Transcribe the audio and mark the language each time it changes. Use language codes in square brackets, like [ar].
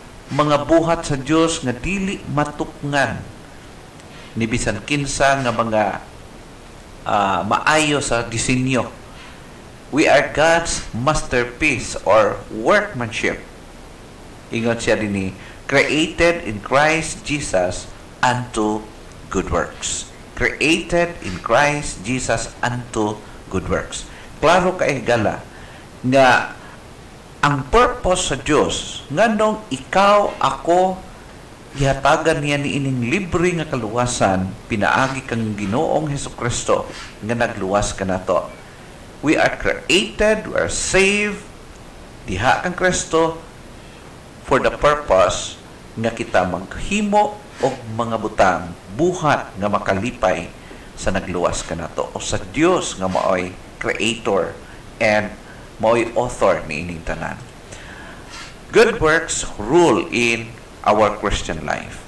[ceb] Mga buhat sa Diyos nga dili matukngan ni bisan kinsa nga mga maayo sa disenyo. [en] We are God's masterpiece or workmanship. [ceb] Ingon siya din ni [en] created in Christ Jesus unto good works. Created in Christ Jesus unto good works. [ceb] Klaro kay gala nga ang purpose sa Diyos nga nung ikaw, ako, ihatagan niya ni ining libre nga kaluwasan, pinaagi kang Ginoong Hesukristo nga nagluwas ka na to. [en] We are created, we are saved, [ceb] diha kang Kristo [en] for the purpose [ceb] nga kita maghimo og mga butang, buhat nga makalipay sa nagluwas ka na to. O sa Diyos nga maoy creator and maoy author ni ining tanan. [en] Good works rule in our Christian life.